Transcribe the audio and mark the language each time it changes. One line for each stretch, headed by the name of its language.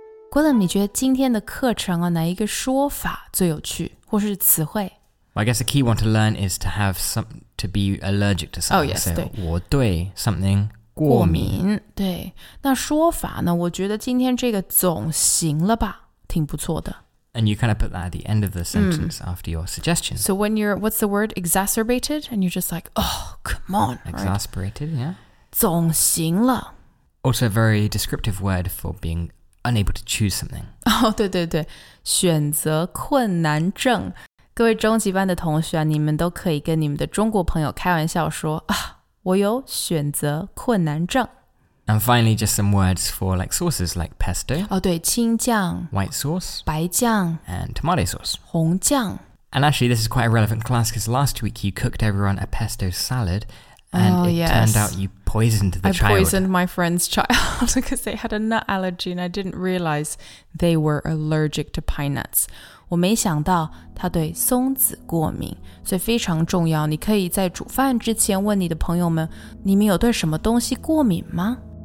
Chinese: Quillen, 你觉得今天的课程哪一个说法最有趣或是词汇？
English: I guess the key one to learn is to have some, to be allergic to something. Oh, yes, so,
Chinese: 对。我对
English: something
Chinese: 过敏。对。那说法呢，我觉得今天这个总行了吧，挺不错的。
English: And you kind of put that at the end of the sentence after your suggestion. So when you're, what's the word? Exacerbated? And you're just like, oh, come on. Exasperated, right? Yeah.
Chinese: 总行了。
English: Also a very descriptive word for being unable to choose something.
Chinese: Oh, 对对对。选择困难症。各位中级班的同学啊，你们都可以跟你们的中国朋友开玩笑说啊，我有选择困难症。
English: And finally, just some words for like sauces, like pesto.
Chinese: 哦，对，青酱。
English: White sauce.
Chinese: 白酱。
English: And tomato sauce.
Chinese: 红酱。
English: And actually, this is quite a relevant class because last week you cooked everyone a pesto salad, and turned out you poisoned the child. I poisoned my friend's child because they had a nut allergy, and I didn't realize they were allergic to pine nuts.
Chinese: 我没想到他对松子过敏，所以非常重要。你可以在煮饭之前问你的朋友们，你们有对什么东西过敏吗？